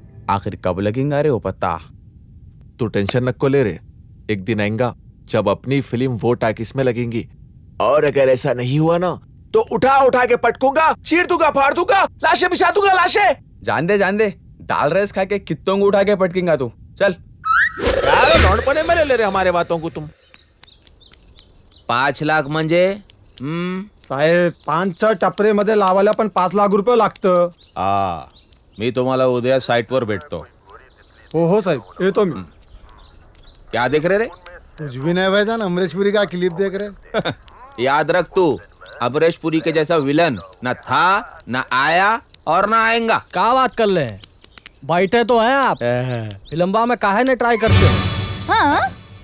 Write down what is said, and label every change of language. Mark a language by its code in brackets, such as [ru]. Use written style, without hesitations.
[hi] आखिर कब लगेंगे रे वो पत्ता? तू टेंशन नक्को ले रे, एक दिन आएगा जब अपनी फिल्म वो टाकिस में लगेंगी, और अगर ऐसा नहीं हुआ ना तो उठा उठा के पटकूंगा, चीर दूंगा, फाड़ दूंगा, लाशें बिछा दूंगा लाशें। जान दे जान दे, दाल रस खा के कितों को उठा के पटकेगा तू। चल लौटपने में ले रहे हमारे बातों को तुम। [mr] 5 लाख मंजे साहेब, 5-6 टपरे मध्ये लावले पण 5 लाख रुपये लागत। मी तुम्हाला उद्या साइट वर भेटतो। हो हो साहेब, येतो मी। [hi] क्या देख रहे रे? कुछ भी नहीं भाई जान, अमरेशपुरी का क्लिप देख रहे। याद रख तू, अमरेशपुरी के जैसा विलन ना था, ना आया और ना आएगा। क्या बात कर ले, बैठे तो है आप, फिलम्बा में काहे ने ट्राई करते हो?